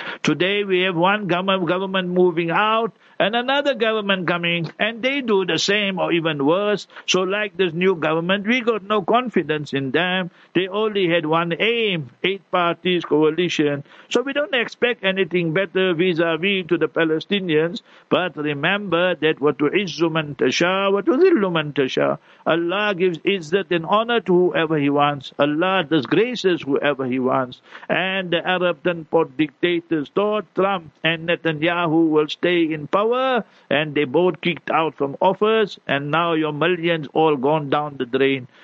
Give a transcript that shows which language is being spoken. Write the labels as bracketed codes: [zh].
[en] Today we have one government moving out, and another government coming, and they do the same or even worse. So like this new government, we got no confidence in them. They only had one aim, 8 parties coalition. So we don't expect anything better vis-a-vis to the Palestinians. But remember that [ar] وَتُعِزُّ مَنْ تَشَاءُ وَتُذِلُّ مَنْ تَشَاءُ. [en] Allah gives izzat and honor to whoever he wants. Allah disgraces whoever he wants. And the Arab tenfold dictators thought Trump and Netanyahu will stay in power, and they both kicked out from office, and now your millions all gone down the drain.